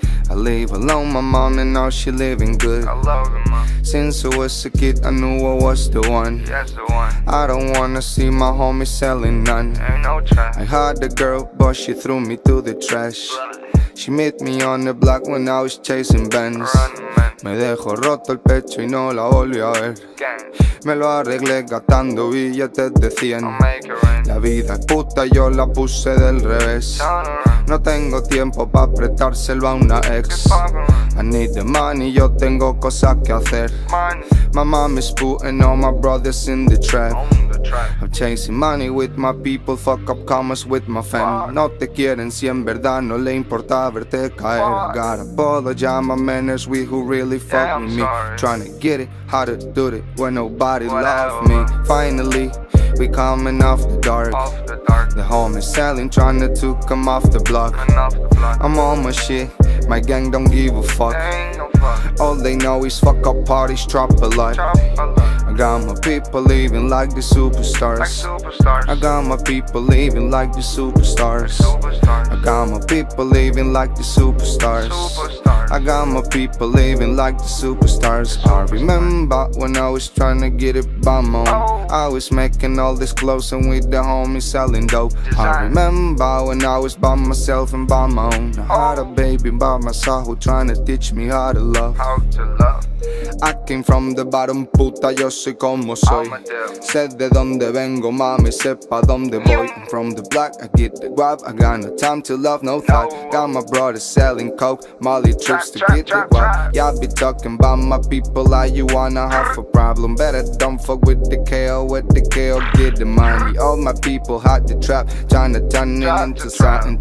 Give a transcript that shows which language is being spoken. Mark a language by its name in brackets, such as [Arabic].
[English] I live alone, my mom, and now she living good. I love you, mom. Since I was a kid, I knew I was the one. Yes, the one. I don't wanna see my homie selling none. Ain't no trash. I had a girl, but she threw me to the trash. She met me on the block when I was chasing bands. [Spanish] Me dejó roto el pecho y no la volví a ver. Me lo arreglé gastando billetes de 100. La vida es puta, yo la puse del revés. No tengo tiempo pa' prestárselo a una ex. [English] I need the money, [Spanish] yo tengo cosas que hacer. [English] My mom is putting all my brothers in the trap. I'm chasing money with my people, fuck up commas with my fam. [Spanish] No te quieren si en verdad no le importa verte caer. [English] I got a bottle, ya my man is we who really fuck yeah, with me. Trying to get it, how to do it when nobody love me. Finally, We coming off the dark. Off the dark. The homies selling, trying to come off the block. I'm on my shit, my gang don't give a fuck. All they know is fuck up parties, drop a lot. I got my people living like the superstars. I got my people living like the superstars. I got my people living like the superstars. I got my people living like the superstars. I remember when I was trying to get it by my own. I was making all this clothes and with the homies selling dope. I remember when I was by myself and by my own. I had a baby by my side who trying to teach me how to love. I came from the bottom, [Spanish] puta, yo soy como soy. Sé de donde vengo, mami, sepa donde voy. [English] I'm from the block, I get the guap. I got no time to love, no thought. Got my brother selling coke, Molly trips to get the guap. Y'all be talking about my people like you wanna have a problem. Better don't fuck with the KO, with the KO, get the money. All my people hot the trap, tryna turn it into something.